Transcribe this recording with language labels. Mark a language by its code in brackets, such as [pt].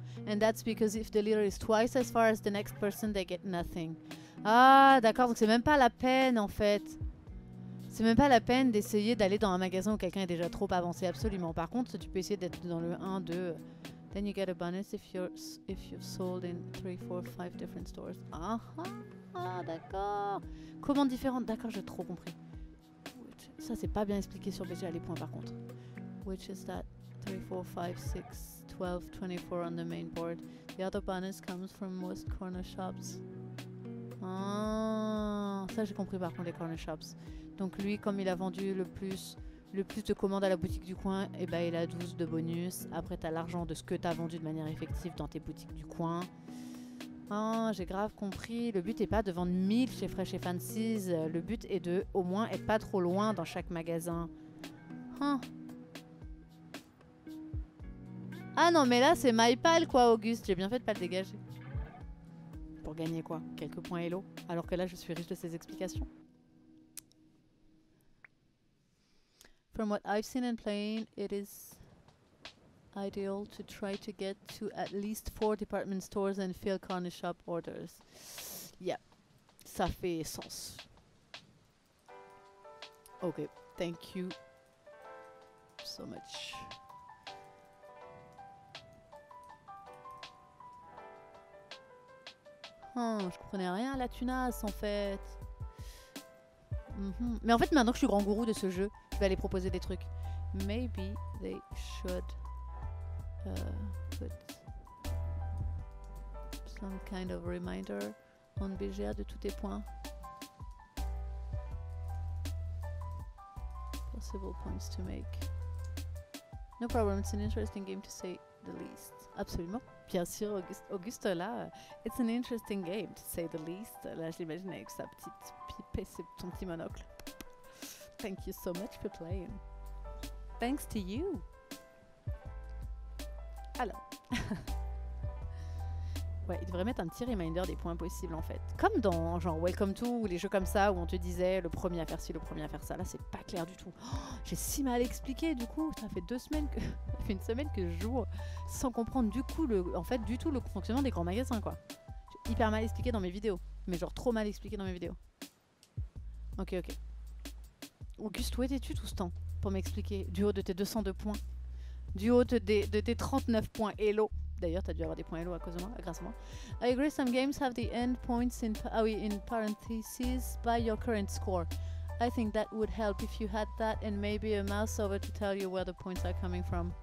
[en] And that's because if the leader is twice as far as the next person, they get nothing. [fr] Ah, d'accord, donc c'est même pas la peine, en fait. C'est même pas la peine d'essayer d'aller dans un magasin où quelqu'un est déjà trop avancé, absolument. Par contre, tu peux essayer d'être dans le 1, 2... [en] Then you get a bonus if you've sold in 3, 4, 5 different stores. [fr] Ah, d'accord. Commandes différentes, d'accord, j'ai trop compris. Ça, c'est pas bien expliqué sur BGA les points, par contre. [en] Which is that 3, 4, 5, 6, 12, 24 on the main board. The other bonus comes from most corner shops. [fr] Ah, ça, j'ai compris, par contre, les corner shops. Donc lui, comme il a vendu le plus le plus de commandes à la boutique du coin, et bah, et la 12 de bonus. Après, t'as l'argent de ce que t'as vendu de manière effective dans tes boutiques du coin. Oh, j'ai grave compris. Le but n'est pas de vendre 1000 chez Fresh et Fancy's. Le but est de, au moins, être pas trop loin dans chaque magasin. Oh. Ah non, mais là, c'est MyPal, quoi, Auguste. J'ai bien fait de pas le dégager. Pour gagner, quoi, quelques points Hello. Alors que là, je suis riche de ces explications. [en] From what I've seen and playing, it is ideal to try to get to at least 4 department stores and fill corner shop orders. [fr] Yeah, ça fait sens. [en] Okay, thank you so much. [fr] Je comprenais rien à la tunasse en fait. Mm-hmm. Mais en fait, maintenant que je suis grand gourou de ce jeu, je vais aller proposer des trucs. [en] Maybe they should put some kind of reminder on BGR [fr] de tous tes points. [en] Possible points to make. No problem, it's an interesting game to say the least. [fr] Absolument. Bien sûr, Auguste, là, [en] it's an interesting game to say the least. [fr] Là, je l'imagine avec sa petite pipe et son petit monocle. [en] Thank you so much for playing. Thanks to you. [fr] Alors. Ouais, il devrait mettre un petit reminder des points possibles en fait. Comme dans genre Welcome to ou les jeux comme ça où on te disait le premier à faire ci, le premier à faire ça. Là, c'est pas clair du tout. Oh, j'ai si mal expliqué du coup. Ça fait deux semaines que. Ça fait une semaine que je joue sans comprendre du coup le. En fait, du tout le fonctionnement des grands magasins quoi. J'ai hyper mal expliqué dans mes vidéos. Mais genre trop mal expliqué dans mes vidéos. Ok, ok. Auguste, où étais-tu tout ce temps pour m'expliquer du haut de tes 202 points, du haut de tes 39 points Elo. D'ailleurs, t'as dû avoir des points Elo à cause de moi, grâce à moi. [en] I agree some games have the end points in in parentheses by your current score. I think that would help if you had that and maybe a mouse over to tell you where the points are coming from.